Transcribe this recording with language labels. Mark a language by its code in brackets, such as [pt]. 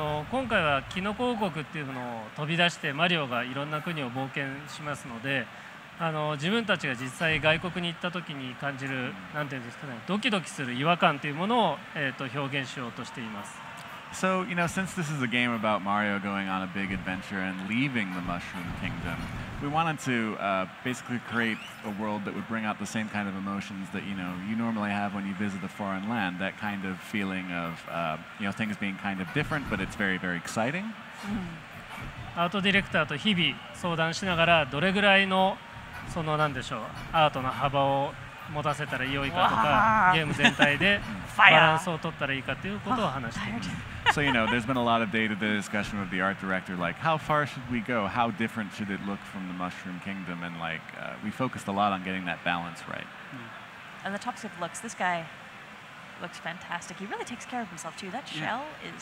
[ja] 今回はキノコ王国っていうのを飛び出してマリオがいろんな国を冒険しますので、自分たちが実際外国に行った時に感じる、なんていうんですかね、ドキドキする違和感というものを、表現しようとしています。 [en] So, you know, since this is a game about Mario going on a big adventure and leaving the Mushroom Kingdom, we wanted to basically create a world that would bring out the same kind of emotions that, you know, you normally have when you visit a foreign land, that kind of feeling of, you know, things being kind of different, but it's very, very exciting. [ja] アートディレクターと日々相談しながら、どれぐらいの、その何でしょう、アートの幅を持たせたらいいかとか、ゲーム全体でバランスを取ったらいいかということを話しています。 [en] So, you know, there's been a lot of day-to-day discussion with the art director, like, how far should we go? How different should it look from the Mushroom Kingdom? And, like, we focused a lot on getting that balance right. And the topic of looks, this guy looks fantastic. He really takes care of himself, too. That shell is